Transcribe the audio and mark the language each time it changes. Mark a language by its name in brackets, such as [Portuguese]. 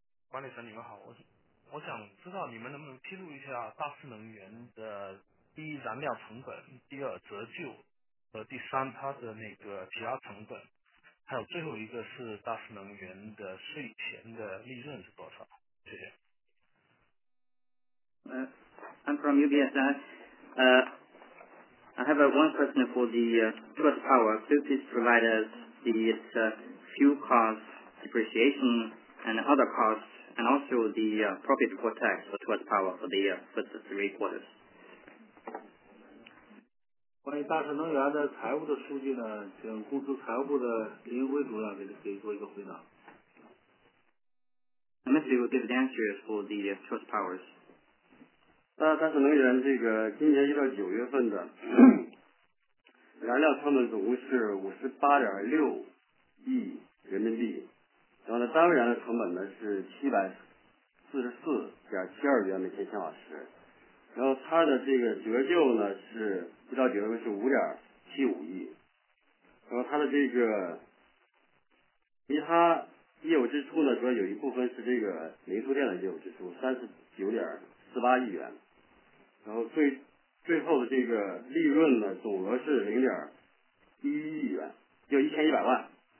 [Chinese] 管理层你们好，我想知道你们能不能披露一下大势能源的第一燃料成本，第二折旧，和第三它的那个其他成本，还有最后一个是大势能源的税前的利润是多少？谢谢。 [English] I'm from UBS. I have one question for the US power. Could please provide us the fuel cost depreciation and other costs? And also the profit before tax for Tuas Power for the first three quarters. [Chinese] 关于大势能源的财务的数据呢，请公司财务部的林辉主任给做一个回答。 [English] Mr. will give the answers for the Tuas Powers. [Chinese] 大势能源这个今年一到九月份的燃料成本总共是58.6亿人民币。然后呢，单位燃料成本呢是744.72元每千千瓦时，然后它的这个折旧呢是一到九月份是5.75亿，然后它的这个其他业务支出呢，主要有一部分是这个煤出电的业务支出39.48亿元，然后最后的这个利润呢，总额是0.11亿元，就1100万。